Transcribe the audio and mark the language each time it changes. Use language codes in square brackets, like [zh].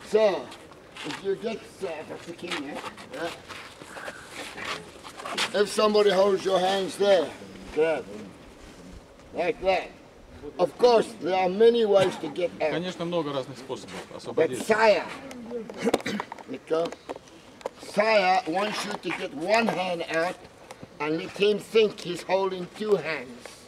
[en] So, if you get king, if somebody holds your hands there, like that. Of course, there are many ways to get out. [ru] Конечно, много разных способов освободиться. [en] But Sire, Sire wants you to get one hand out and let him think he's holding two hands.